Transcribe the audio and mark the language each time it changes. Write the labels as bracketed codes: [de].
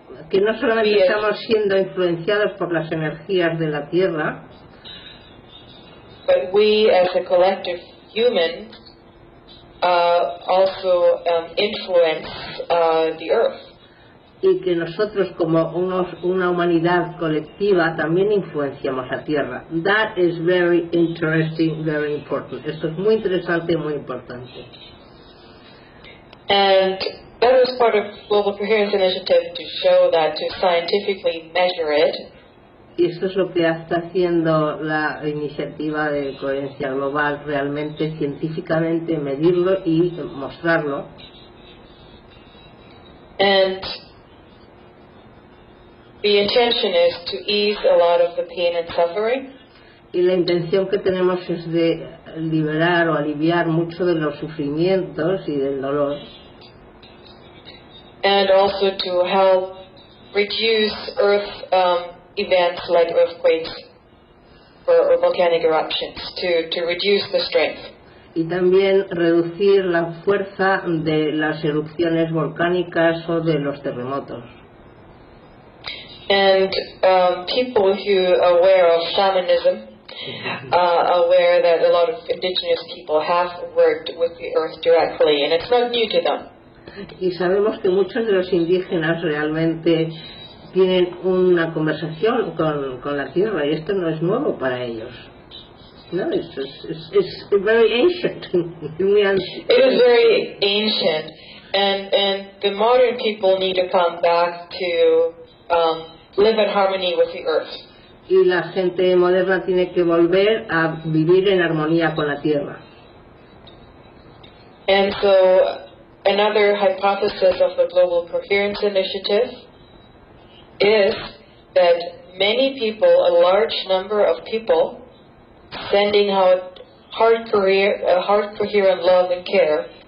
[es] que no solamente estamos siendo influenciados por las energías de la tierra, [en] but we as a collective human also influence the earth. [es] Y que nosotros como una humanidad colectiva también influenciamos a Tierra. [en] That is very interesting, very important. [es] Esto es muy interesante y muy importante. [en] And that is part of Global Coherence Initiative to show that to scientifically measure it. [es] Y esto es lo que está haciendo la iniciativa de coherencia global, realmente científicamente medirlo y mostrarlo. [en] And the intention is to ease a lot of the pain and suffering. [es] Y la intención que tenemos es de liberar o aliviar mucho de los sufrimientos y del dolor. [en] And also to help reduce earth events like earthquakes or volcanic eruptions to reduce the strength. [es] Y también reducir la fuerza de las erupciones volcánicas o de los terremotos. [en] And people who are aware of shamanism are aware that a lot of indigenous people have worked with the earth directly, and it's not new to them. [es] Y sabemos que muchos de los indígenas realmente tienen una conversación con la tierra, y esto no es nuevo para ellos. [en] No, it's very ancient. It is very ancient, and the modern people need to come back to live in harmony with the earth. [es] Y la gente moderna tiene que volver a vivir en armonía con la tierra. [en] And so, another hypothesis of the Global Coherence Initiative is that many people, a large number of people, sending out heart coherent love and care.